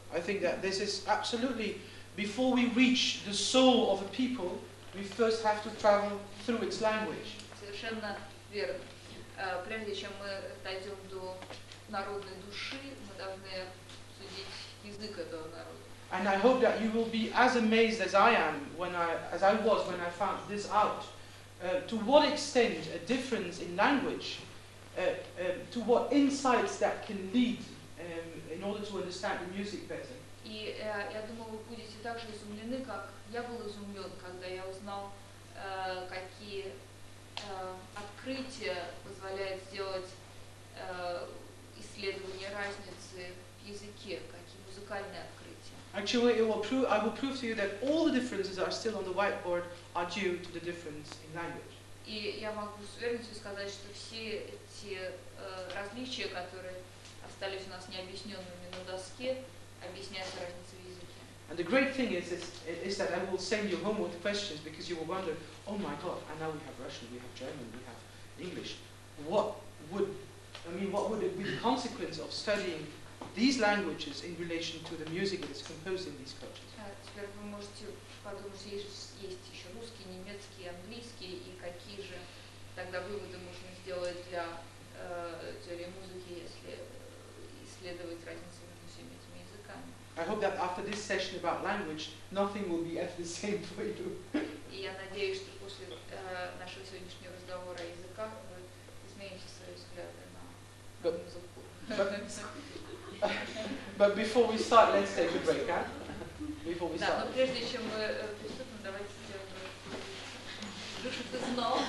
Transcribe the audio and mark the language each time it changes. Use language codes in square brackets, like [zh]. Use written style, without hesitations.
[en] I think that this is absolutely, before we reach the soul of a people, we first have to travel through its language. [ru] Совершенно верно. Прежде чем мы дойдем до народной души, мы должны судить язык этого народа. [en] And I hope that you will be as amazed as I am when I, as I was when I found this out. To what extent a difference in language, to what insights that can lead in order to understand the music better. [ru] И я думаю, вы будете так же изумлены, как я был изумлен, когда я узнал, какие открытия позволяют сделать исследование разницы в языке, какие музыкальные открытия. [en] Actually, I will prove to you that all the differences that are still on the whiteboard are due to the difference in language. [ru] И я могу с уверенностью сказать, что все эти различия, которые остались у нас необъясненными на доске, объясняются разницей в языке. [en] And the great thing is that I will send you home with questions because you will wonder, oh my God, and now we have Russian, we have German, we have English. What would it be the consequence of studying these languages in relation to the music that is composed in these cultures. [ru] Теперь вы можете подумать, что есть еще русский, немецкий, английский, и какие же тогда выводы можно сделать для теории музыки, если исследовать разницу между всеми этими языками. [en] I hope that after this session about language, nothing will be at the same for you. [ru] И я надеюсь, что после нашего сегодняшнего разговора о языках вы измените свои взгляды на музыку. [en] But before we start, let's take a break, huh? Before we start. [ru] Да, но прежде чем мы приступим, давайте сделаем, что ты знал.